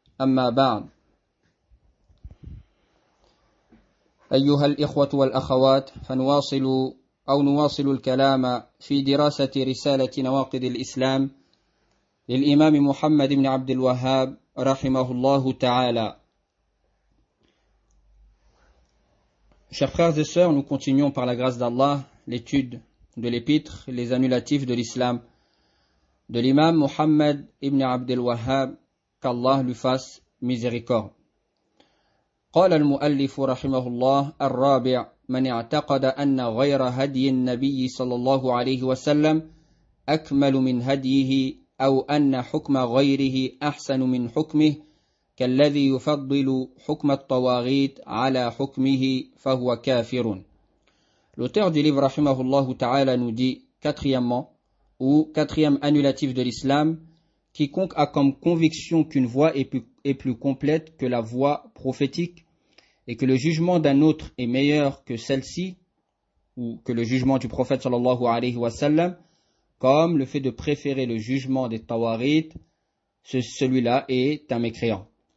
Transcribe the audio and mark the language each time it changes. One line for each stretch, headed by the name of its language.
Arabic: أما بعد، أيها الإخوة والأخوات، فنواصل أو نواصل الكلام في دراسة رسالة نواقض الإسلام للإمام محمد بن عبد الوهاب رحمه الله تعالى.
French: Chers frères et sœurs, nous continuons par la grâce d'Allah l'étude de l'épître, les annulatifs de l'islam de l'imam Muhammad ibn Abd al-Wahhab, qu'Allah lui fasse miséricorde.
Arabic: قال المؤلف رحمه الله الرابع: من اعتقد أن غير هدي النبي صلى الله عليه وسلم أكمل من هديه، أو أن حكم غيره أحسن من حكمه، كالذي يفضل حكم الطواغيت على حكمه، فهو كافر.
French: L'auteur du livre rahimahullah ta'ala nous dit, quatrièmement, ou quatrième annulatif de l'islam, quiconque a comme conviction qu'une voie est plus complète que la voie prophétique, et que le jugement d'un autre est meilleur que celle-ci, ou que le jugement du prophète sallallahu alayhi wa sallam, comme le fait de préférer le jugement des tawarit, celui-là est un mécréant.